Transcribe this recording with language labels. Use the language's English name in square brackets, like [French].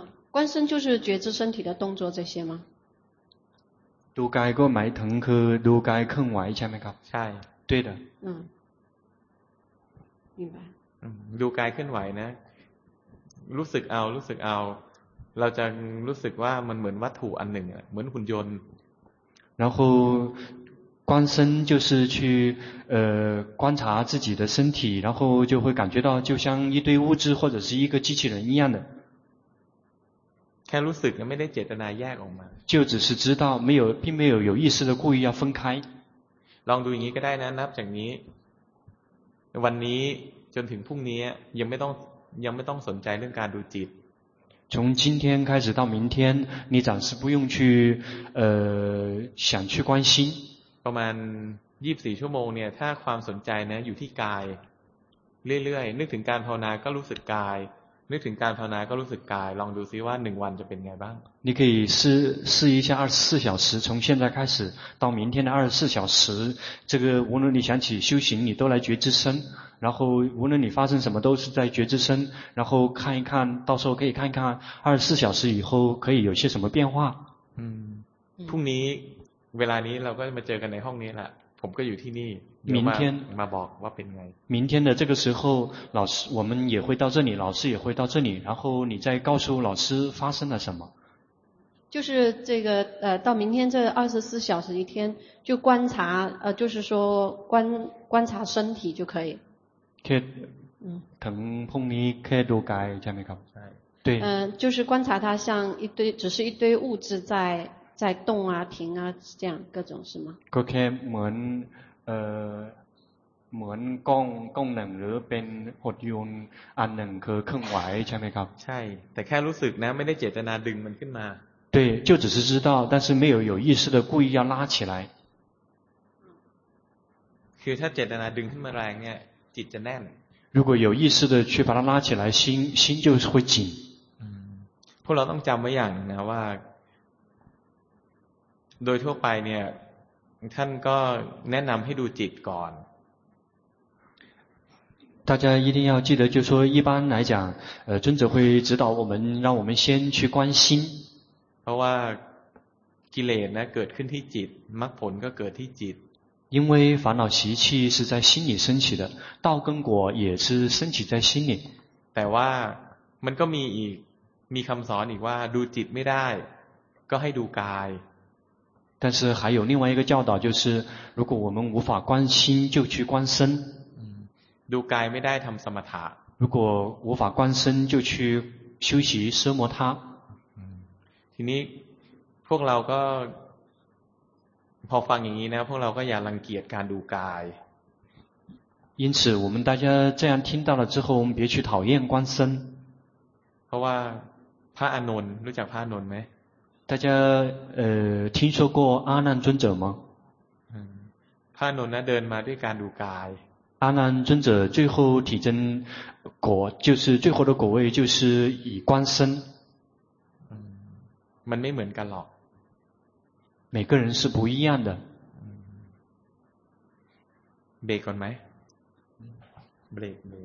[Chinese] 观身就是觉知身体的动作这些吗 [Thai] ดูกายก็หมายถึงคือดูกายเคลื่อนไหวใช่ไหมครับ ใช่ [Chinese] 对的明白 [Thai] ดูกายเคลื่อนไหวนะรู้สึกเอาเราจะรู้สึกว่ามันเหมือนวัตถุอันหนึ่งเหมือนหุ่นยนต์ [Chinese] 然后观身就是去观察自己的身体然后就会感觉到就像一堆物质或者是一个机器人一样的 [Thai] แค่รู้สึกไม่ได้เจตนาแยกออกมา [Chinese] 就只是知道没有并没有有意识的故意要分开 [Thai] ลองดูอย่างนี้ก็ได้นะนับจากนี้วันนี้จนถึงพรุ่งนี้ยังไม่ต้องสนใจเรื่องการดูจิต [Chinese] 从今天开始到明天你暂时不用去想去关心 [Thai] ประมาณ24ชั่วโมงเนี่ยถ้าความสนใจนะอยู่ที่กายเรื่อยๆนึกถึงการภาวนาก็รู้สึกกายนึกถึงการภาวนาก็รู้สึกกายลองดูซิว่า1วันจะเป็นไงบ้าง [Chinese] 你可以试一下24小时从现在开始到明天的24小时这个无论你想起修行你都来觉知身然后无论你发生什么都是在觉知身然后看一看到时候可以看一看24小时以后可以有些什么变化 [Thai] พรุ่งนี้เวลานี้เราก็มาเจอกันในห้องนี้แหละผมก็อยู่ที่นี่ [Chinese] 明天 [Thai] มาบอกว่าเป็นไง [Chinese] 明天的这个时候老师我们也会到这里老师也会到这里然后你再告诉老师发生了什么就是这个到明天这24小时一天就观察就是说观察身体就可以 [Thai] แค่ถึงพรุ่งนี้แค่ดูกายใช่ไหมครับ ใช่ [Chinese] 对就是观察它像一堆只是一堆物质在动啊停啊这样各种是吗 [Thai] ก็แค่เหมือนกล้องกล้องหนึ่งหรือเป็นหดยนต์อันหนึ่งคือเครื่องไหวใช่ไหมครับ ใช่แต่แค่รู้สึกนะไม่ได้เจตนาดึงมันขึ้นมา [Chinese] 对就只是知道但是没有有意识的故意要拉起来 [Thai] คือถ้าเจตนาดึงขึ้นมาแรงเนี่ยจิตจะแน่น [Chinese] 如果有意识的去把它拉起来心就会紧 [Thai] พวกเราต้องจำไว้อย่างนะว่าโดยทั่วไปเนี่ยท่านก็แนะนำให้ดูจิตก่อน [Chinese] 大家一定要记得就说一般来讲尊者会指导我们让我们先去观心 [Thai] เพราะว่ากิเลสนะเกิดขึ้นที่จิตมรรคผลก็เกิดที่จิต [Chinese] 因为烦恼习气是在心里升起的，道根果也是升起在心里。 [Thai] แต่ว่ามันก็มีคำสอนอีกว่าดูจิตไม่ได้ก็ให้ดูกาย。 [Chinese] 但是还有另外一个教导，就是如果我们无法观心，就去观身。 [Thai] ดูกายไม่ได้ทำสมถะ。 [Chinese] 如果无法观身，就去修习奢摩他。 [Thai] ทีนี้พวกเราก็พอฟังอย่างนี้นะพวกเราก็อย่ารังเกียจการดูกาย [Chinese] 因此我们大家这样听到了之后我们别去讨厌观身 [Thai] เพราะว่าพระอานนท์รู้จักพระอานนท์ไหม [Chinese] 大家听说过阿难尊者吗 [Thai] พระอานนท์นะเดินมาด้วยการดูกาย [Chinese] 阿难尊者最后体证果就是最后的果位就是以观身 [Thai] มันไม่เหมือนกันหรอก [Chinese] 每个人是不一样的。 break 过没？break